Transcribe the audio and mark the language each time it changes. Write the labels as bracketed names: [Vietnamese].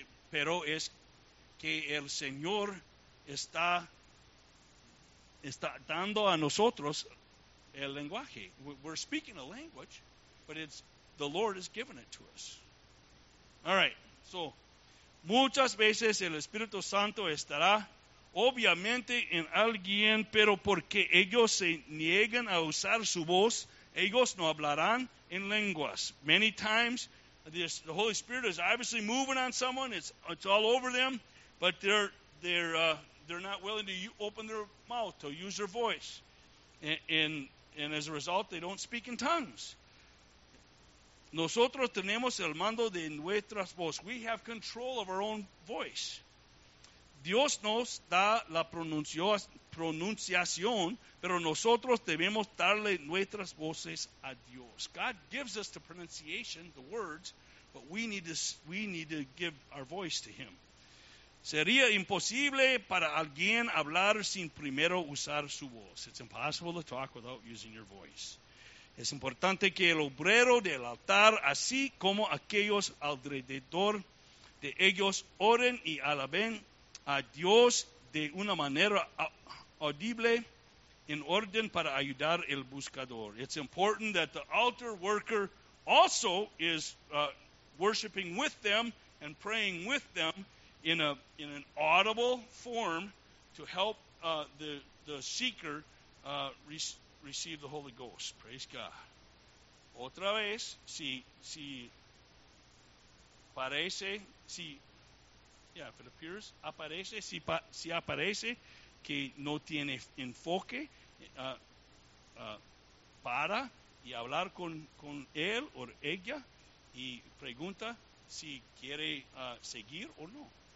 [Spanish] Pero es que el Señor está dando a nosotros el lenguaje. [English] We're speaking a language, but it's the Lord has given it to us. All right. [Spanish] So, muchas veces el Espíritu Santo estará obviamente en alguien, pero porque ellos se niegan a usar su voz, ellos no hablarán en lenguas. [English] Many times, the Holy Spirit is obviously moving on someone. It's all over them, but they're not willing to open their mouth to use their voice. And as a result, they don't speak in tongues. [Spanish] Nosotros tenemos el mando de nuestras voces. [English] We have control of our own voice. [Spanish] Dios nos da la pronunciación, pero nosotros debemos darle nuestras voces a Dios. [English] God gives us the pronunciation, the words, but we need to give our voice to Him. [Spanish] Sería imposible para alguien hablar sin primero usar su voz. [English] It's impossible to talk without using your voice. [Spanish] Es importante que el obrero del altar, así como aquellos alrededor de ellos, oren y alaben a Dios de una manera audible en orden para ayudar el buscador. [English] It's important that the altar worker also is worshiping with them and praying with them in an audible form to help the seeker receive the Holy Ghost. Praise God. [Spanish] Otra vez, si aparece que no tiene enfoque para y hablar con él o ella y pregunta si quiere seguir o no.